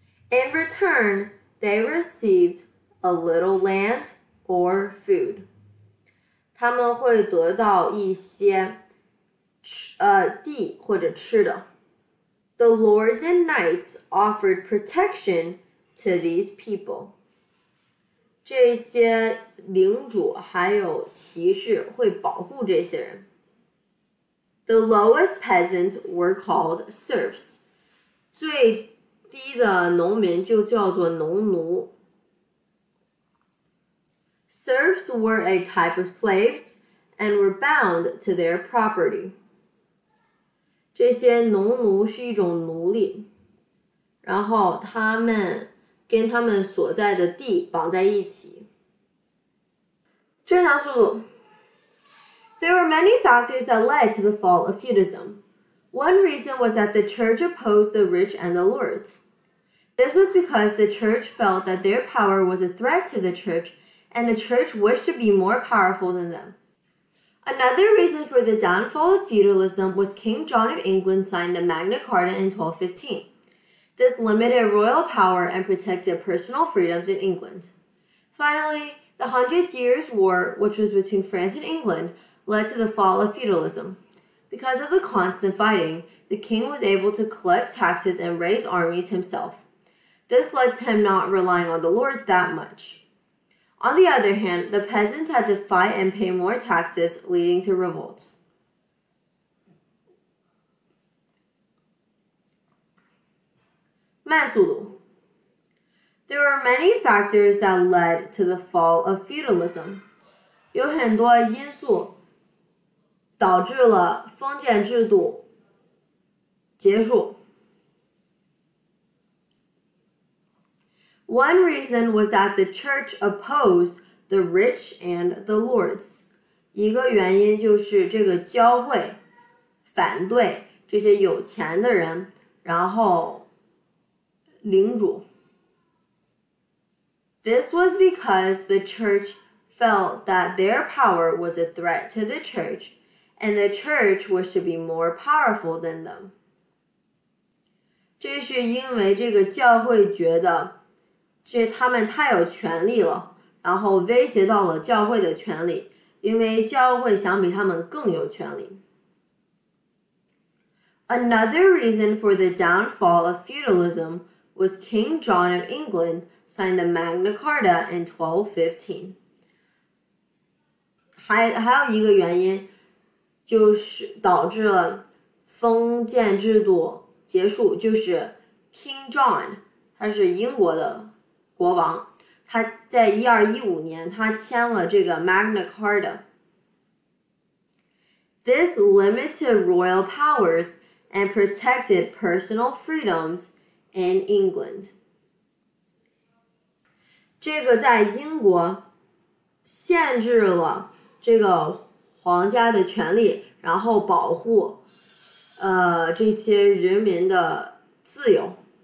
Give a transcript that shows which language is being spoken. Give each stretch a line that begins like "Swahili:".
English: In return, they received a little land or food.
Chinese: 他们会得到一些地或者吃的。
English: The lords and knights offered protection to these people.
Chinese: 这些领主还有骑士会保护这些人。
English: The lowest peasants were called serfs.
Chinese: 最低的农民就叫做农奴。
English: Serfs were a type of slaves and were bound to their property.
Chinese: 这些农奴是一种奴隶，然后他们跟他们所在的地绑在一起。正常速度。
English: There were many factors that led to the fall of feudalism. One reason was that the church opposed the rich and the lords. This was because the church felt that their power was a threat to the church, and the church wished to be more powerful than them. Another reason for the downfall of feudalism was King John of England signed the Magna Carta in 1215. This limited royal power and protected personal freedoms in England. Finally, the Hundred Years' War, which was between France and England, led to the fall of feudalism. Because of the constant fighting, the king was able to collect taxes and raise armies himself. This led to him not relying on the lords that much. On the other hand, the peasants had to fight and pay more taxes, leading to revolts.
Chinese: 慢速度。
English: There were many factors that led to the fall of feudalism.
Chinese: 有很多因素导致了封建制度结束。
English: One reason was that the church opposed the rich and the lords.
Chinese: 一个原因就是这个教会反对这些有钱的人，然后领主。
English: This was because the church felt that their power was a threat to the church, and the church wished to be more powerful than them.
Chinese: 这是因为这个教会觉得这他们太有权力了，然后威胁到了教会的权力，因为教会想比他们更有权力。
English: Another reason for the downfall of feudalism was King John of England signed the Magna Carta in 1215.
Chinese: 还有一个原因，就是导致了封建制度结束，就是 King John， 他是英国的国王，他在1215年他签了这个 Magna Carta。
English: This limited royal powers and protected personal freedoms in England.
Chinese: 这个在英国限制了这个皇家的权利，然后保护这些人民的自由。